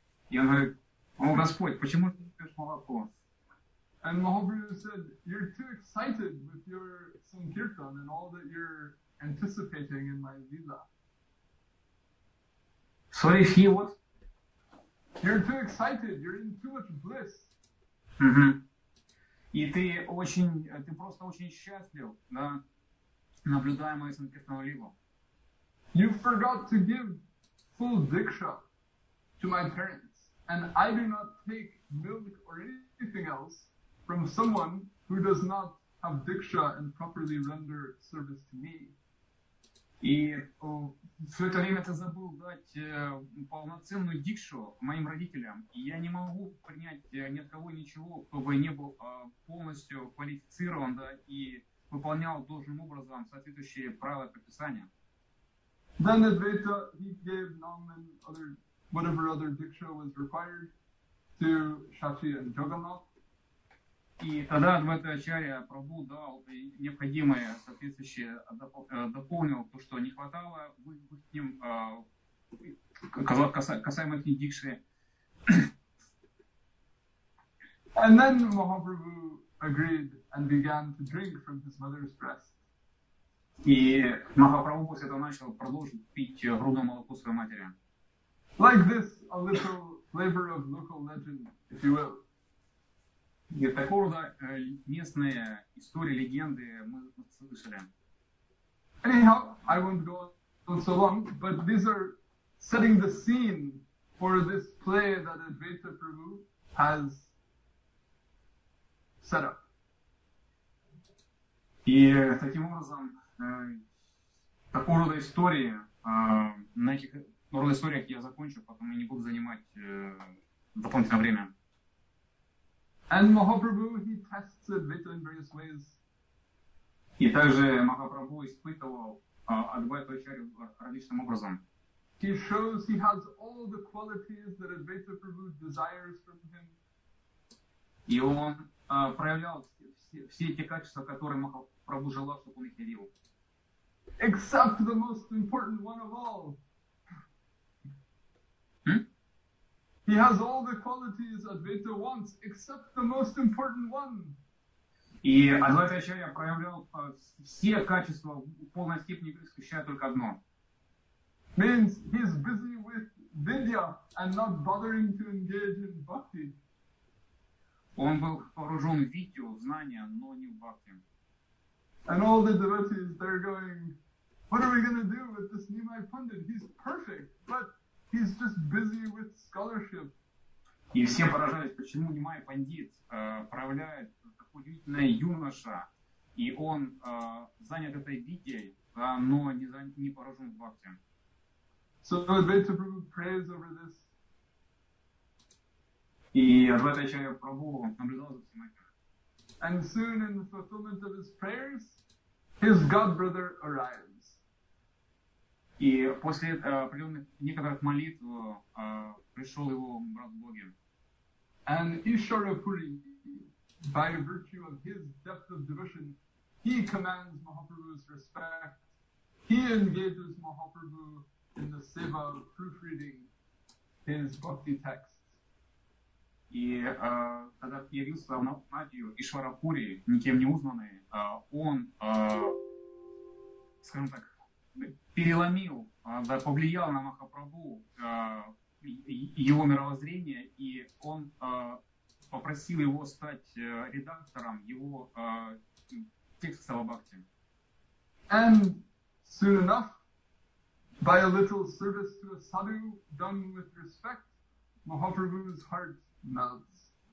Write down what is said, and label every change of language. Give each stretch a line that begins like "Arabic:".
Russian: И он говорит, о Господь, почему ты не пьешь молоко?
English: And Mahaprabhu said, you're too excited with your sankirtan and all that you're anticipating in my lila. So if he what? You're too excited, you're in too much bliss.
Russian: И ты просто очень счастлив, да? Наблюдая мою санкиртану либо.
English: You forgot to give full diksha to my parents, and I do not take milk or anything else from someone who does not have diksha and properly render service to me.
Russian: И все это время ты забыл дать полноценную дикшу моим родителям, и я не могу принять ни от кого ничего, кто бы не был полностью квалифицирован, да, и выполнял должным образом соответствующие правила предписания.
English: Then Advaita, he gave nam and other, whatever other diksha was required to Shachi and Jagannath.
Russian: И тогда Advaita Acharya Prabhu дал необходимое соответствующее, дополнил то, что не хватало с ним, касаемо их дикши.
English: And then Mahaprabhu agreed and began to drink from his mother's breast.
Russian: И Махапрабху после этого начал продолжить пить грудное молоко своей матери.
English: Like this, a little flavor of local legend, if you will.
Russian: И такого рода местные истории, легенды мы слышали.
English: Anyhow, I won't go on so long, but these are setting the scene for this play that Advaita Prabhu has set up.
Russian: И таким образом, такого рода истории, на этих рода историях я закончу, потом я не буду занимать дополнительное время.
English: And Mahaprabhu, he tests Advaita in various ways.
Russian: И также Махапрабху испытывал Адвайту Ачарью различным образом.
English: He shows he has all the qualities that Advaita Prabhu desires from him.
Russian: И он проявлял все те качества, которые Махапрабху желал, чтобы он их явил.
English: Except the most important one of all. He has all the qualities Advaita wants, except the most important one.
Russian: И Адвайта Ачарья проявлял все качества в полной степени, исключая только одно.
English: Means he's busy with Vidya and not bothering to engage in Bhakti.
Russian: Он был вооружен Видью, знания, но не в Бхакти.
English: And all the devotees, they're going, what are we going to do with this Nimai Pandit? He's perfect, but he's just busy with scholarship.
Russian: И все поражались, почему Нимай Пандит проявляет такой удивительный юноша, и он занят этой Видьей, но не поражен в Бхакти.
English: So Advaita Prabhu prays over this.
Russian: И Advaita Acharya Prabhu наблюдал за всем этим.
English: And soon in the fulfillment of his prayers, his godbrother arrives.
Russian: И после определенных некоторых молитв пришел его брат Боги.
English: And Ishwara Puri, by virtue of his depth of devotion, he commands Mahaprabhu's respect. He engages Mahaprabhu in the seva of proofreading. his bhakti text.
Russian: И тогда появился на Надию Ишварапури, никем не узнанный, он, скажем так, переломил, да, повлиял на Махапрабху его мировоззрение, и он попросил его стать редактором его текста в бхакти.
English: And soon enough, by a little service to a sadhu done with respect, Mahaprabhu's heart melts.